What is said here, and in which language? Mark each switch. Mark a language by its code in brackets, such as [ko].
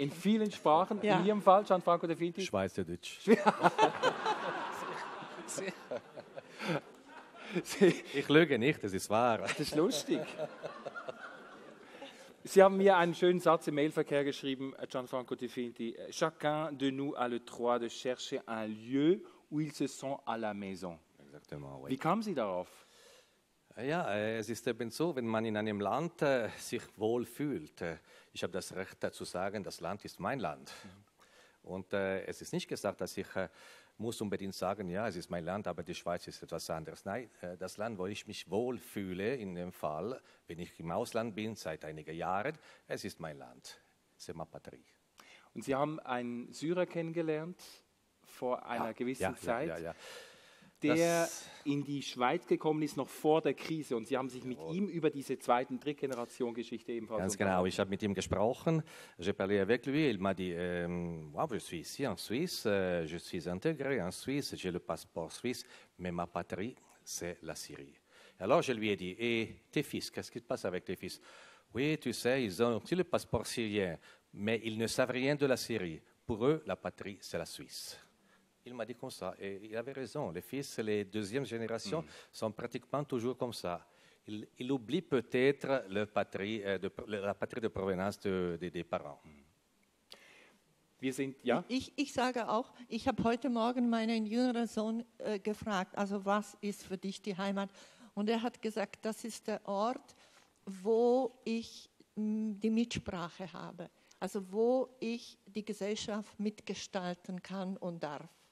[de] In vielen Sprachen? Ja. In Ihrem Fall, Gianfranco De Finti? Schweizerdeutsch. Ich lüge nicht, das ist wahr. Das ist lustig. Sie haben mir einen schönen Satz im Mailverkehr geschrieben, Gianfranco De Finti. [fr] Chacun de nous a le droit de chercher un lieu où il se sent à la maison. Exactement, oui. [de] Wie kamen Sie darauf? Ja, es ist eben so, wenn man in einem Land sich wohl fühlt. Ich habe das Recht dazu sagen, das Land ist mein Land. Mhm. Und es ist nicht gesagt, dass ich muss unbedingt sagen, ja, es ist mein Land, aber die Schweiz ist etwas anderes. Nein, das Land, wo ich mich wohlfühle, in dem Fall, wenn ich im Ausland bin, seit einigen Jahren, es ist mein Land. [fr] C'est ma patrie. [de] Und Sie haben einen Syrer kennengelernt vor einer gewissen Zeit, ja. Der in die Schweiz gekommen ist, noch vor der Krise. Und Sie haben sich mit ihm über diese zweiten, Drittgeneration-Geschichte ebenfalls ganz genau, ich habe mit ihm gesprochen. [fr] J'ai parlé avec lui. Il m'a dit, je suis ici en Suisse. Je suis intégré en Suisse. J'ai le passeport suisse. Mais ma patrie, c'est la Syrie. Alors, je lui ai dit, et tes fils, qu'est-ce qui se passe avec tes fils? Oui, tu sais, ils ont aussi le passeport syrien. Mais ils ne savent rien de la Syrie. Pour eux, la patrie, c'est la Suisse. Il m'a dit comme ça, et il avait raison, les fils, les deuxièmes générations sont pratiquement toujours comme ça. Ils oublient peut-être la patrie de provenance des parents. [de] Wir sind, ja? Ich sage auch, ich habe heute Morgen meinen jüngeren Sohn gefragt, also was ist für dich die Heimat? Und er hat gesagt, das ist der Ort, wo ich die Mitsprache habe, also wo ich die Gesellschaft mitgestalten kann und darf.